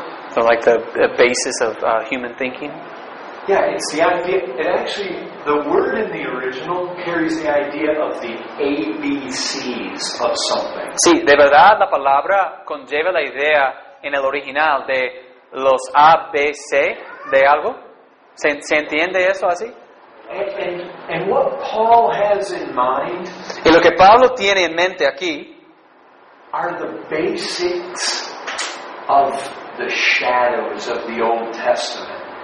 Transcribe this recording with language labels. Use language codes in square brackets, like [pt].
[en] So like the basis of human thinking? Yeah, it's the idea. It actually, the word in the original carries the idea of the ABCs of something. [es] Sí, de verdad la palabra conlleva la idea en el original de los ABC de algo. ¿Se entiende eso así? [en] And what Paul has in mind, [es] y lo que Pablo tiene en mente aquí, [en] are the basics of the shadows of the Old Testament.